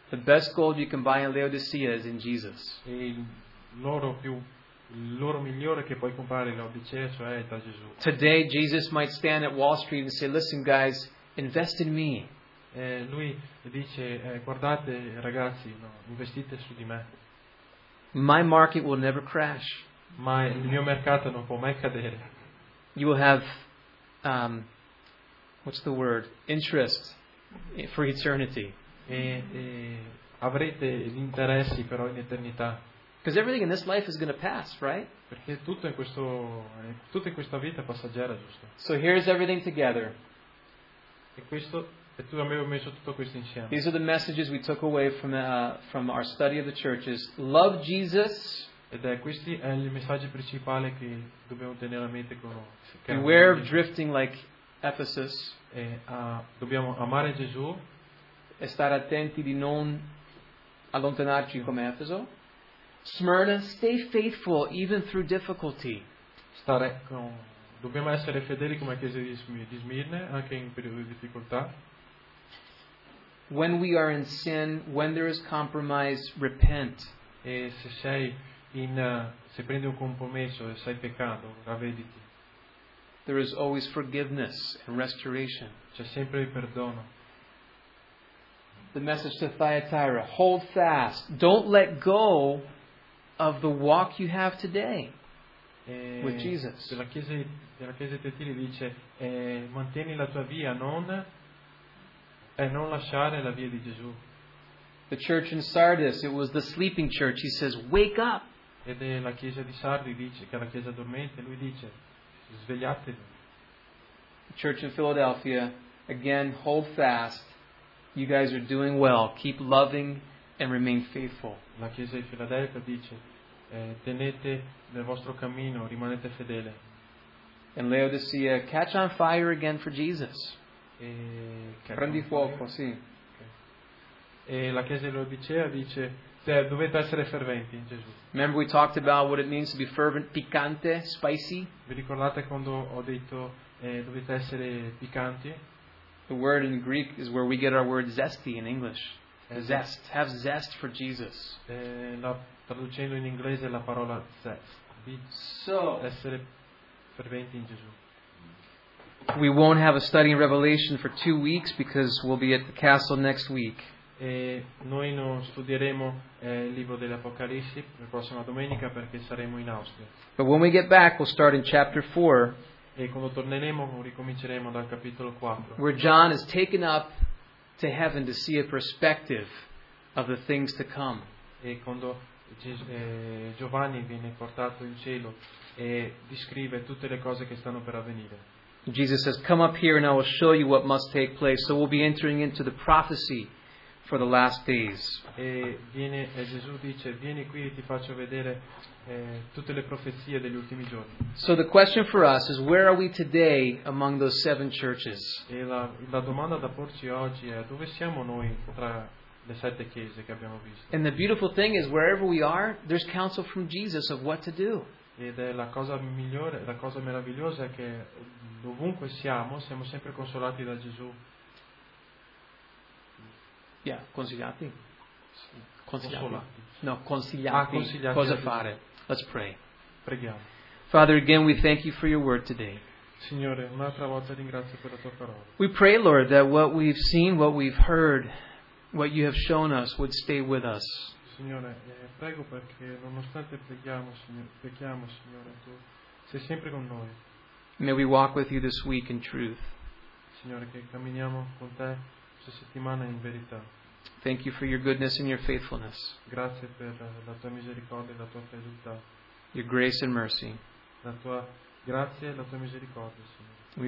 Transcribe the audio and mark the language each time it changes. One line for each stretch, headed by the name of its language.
English: The best gold you can buy in Laodicea is in Jesus.
Italian: E l'oro migliore che puoi comprare in Laodicea, cioè da Gesù.
English: Today Jesus might stand at Wall Street and say, "Listen, guys, invest in me."
Italian: Lui dice, guardate ragazzi, no, investite su di me.
English: My market will never crash.
Italian: Ma il mio mercato non può mai cadere.
English: You will have what's the word? Interest for eternity.
Italian: E avrete gli interessi però in eternità.
English: Because everything in this life is going to pass, right?
Italian: Perché tutto in questa vita è passaggera, giusto?
English: So here's everything together.
Italian: E tu avevi messo tutto questo insieme.
English: These are the messages we took away from our study of the churches. Love Jesus.
Italian: Ed è questi è il messaggio principale che dobbiamo tenere a mente con.
English: Beware of drifting like Ephesus.
Italian: Dobbiamo amare Gesù. E stare attenti di non allontanarci come Efeso.
English: Smyrna, stay faithful even through difficulty.
Italian: Stare con, dobbiamo essere fedeli come chiesa di Smirne anche in periodi di difficoltà.
English: When we are in sin, when there is compromise, repent.
Italian: E se sei in se prendi un compromesso e sei peccato, ravvediti.
English: There is always forgiveness and restoration.
Italian: C'è sempre il perdono.
English: The message to Thyatira: hold fast, don't let go of the walk you have today with Jesus.
Italian: Della chiesa di Tetiri dice: mantieni la tua via, non e non lasciare la via di Gesù.
English: The church in Sardis, it was the sleeping church. He says, wake up.
Italian: Ed è la chiesa di Sardi dice che è la chiesa dormente. Lui dice, svegliatevi.
English: The church in Philadelphia, again, hold fast. You guys are doing well. Keep loving and remain faithful.
Italian: La chiesa di Filadelfia dice, tenete nel vostro cammino, rimanete fedele.
English: And Laodicea, catch on fire again for Jesus.
Italian: Prendi fuoco, sì. E la chiesa di Laodicea dice, cioè, dovete essere ferventi in Gesù.
English: Remember we talked about what it means to be fervent, piccante, spicy?
Italian: Vi ricordate quando ho detto dovete essere piccanti?
English: The word in Greek is where we get our word zesty in English. Zest, have zest for Jesus.
Italian: Traducendo in inglese la parola zest.
English: So,
Italian: essere ferventi in Gesù.
English: We won't have a study in Revelation for 2 weeks because we'll be at the castle next week.
Italian: E noi non studieremo il libro dell'Apocalisse la prossima domenica perché saremo in Austria.
English: But when we get back, we'll start in chapter 4.
Italian: E quando torneremo, ricominceremo dal capitolo 4.
English: Where John is taken up to heaven to see a perspective of the things to come.
Italian: E quando Giovanni viene portato in cielo e descrive tutte le cose che stanno per avvenire.
English: Jesus says, come up here and I will show you what must take place. So we'll be entering into the prophecy for the last days.
Italian: E Gesù dice, vieni qui e ti faccio vedere tutte le profezie degli ultimi giorni.
English: So the question for us is, where are we today among those seven churches?
Italian: E la domanda da porci oggi è, dove siamo noi tra le sette chiese che abbiamo visto?
English: And the beautiful thing is, wherever we are, there's counsel from Jesus of what to do.
Italian: Ed è la cosa migliore, la cosa meravigliosa è che dovunque siamo, siamo sempre consolati da Gesù.
English: Yeah,
Italian: consigliati. Consolati. No, consigliati. Consigliati. Cosa fare?
English: Let's pray.
Italian: Preghiamo.
English: Father, again, we thank you for your word today.
Italian: Signore, un'altra volta ringrazio per la tua parola.
English: We pray, Lord, that what we've seen, what we've heard, what you have shown us would stay with us.
Italian: Signore, prego perché nonostante preghiamo, Signore, tu sei sempre con noi.
English: May we walk with you this week in truth.
Italian: Signore, che camminiamo con te questa settimana in verità.
English: Thank you for your goodness and your faithfulness.
Italian: Grazie per la tua misericordia e la tua fedeltà.
English: Your grace and mercy.
Italian: La tua grazia e la tua misericordia, Signore.